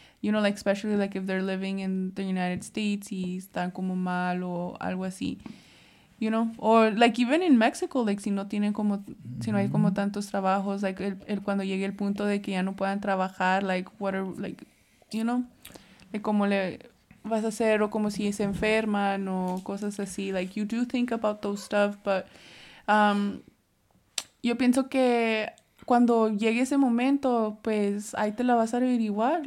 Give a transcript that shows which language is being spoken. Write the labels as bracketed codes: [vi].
[en] You know, like, especially, like, if they're living in the United States [es] y están como mal o algo así. [en] You know? Or, like, even in Mexico, [es] like, si no tienen como... Mm-hmm. Si no hay como tantos trabajos, like, el cuando llegue el punto de que ya no puedan trabajar, like, [en] what are... Like, you know? [es] Like, cómo le vas a hacer o como si se enferman o cosas así. [en] Like, you do think about those stuff, but... [es] yo pienso que... Cuando llegue ese momento, pues, ahí te la vas a averiguar.